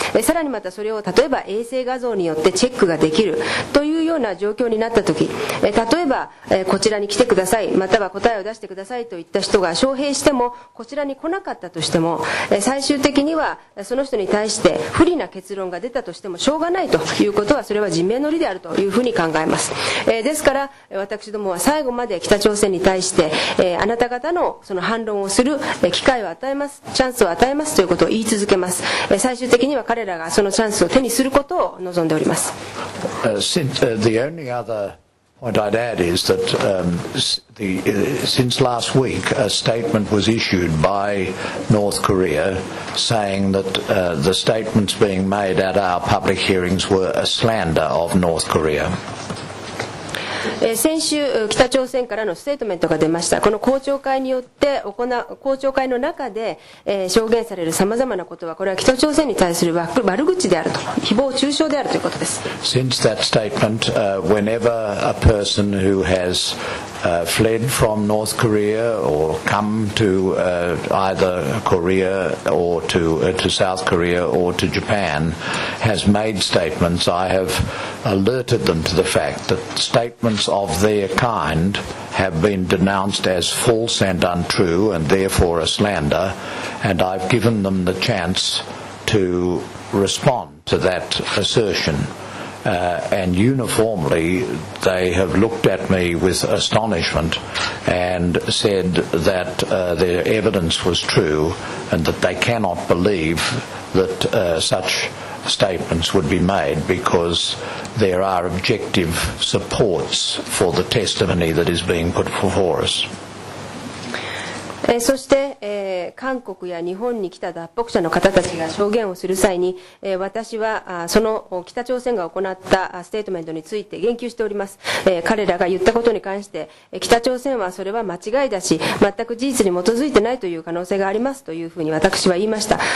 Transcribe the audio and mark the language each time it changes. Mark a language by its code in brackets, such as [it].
[ja] さらにまたそれを例えば衛星画像によってチェックができるというような状況になったとき、例えばこちらに来てください、または答えを出してくださいといった人が招聘してもこちらに来なかったとしても、最終的にはその人に対して不利な結論が出たとしてもしょうがないということは、それは人命の利であるというふうに考えます。ですから私どもは最後まで北朝鮮に対してあなた方のその反論をする機会を与えます、チャンスを与えますということを言い続けます。最終的には彼らがそのチャンスを手にすることを望んでおります。 [en] The only other point I'd add is that since last week a statement was issued by North Korea saying that the statements being made at our public hearings were a slander of North Korea. [ja] 先週北朝鮮からのステートメントが出ました。この公聴会によって行う公聴会の中で、証言される様々なことはこれは北朝鮮に対する悪口であると誹謗中傷であるということです。 [en] Since that statement, whenever a person who has fled from North Korea or come to either Korea or to South Korea or to Japan has made statements, I have alerted them to the fact that statements of their kind have been denounced as false and untrue and therefore a slander, and I've given them the chance to respond to that assertion. And uniformly, they have looked at me with astonishment and said that their evidence was true and that they cannot believe that such statements would be made because there are objective supports for the testimony that is being put before us. [ja] そして、韓国や日本に来た脱北者の方たちが証言をする際に、私はその北朝鮮が行ったステートメントについて言及しております。彼らが言ったことに関して北朝鮮はそれは間違いだし全く事実に基づいてないという可能性がありますというふうに私は言いました。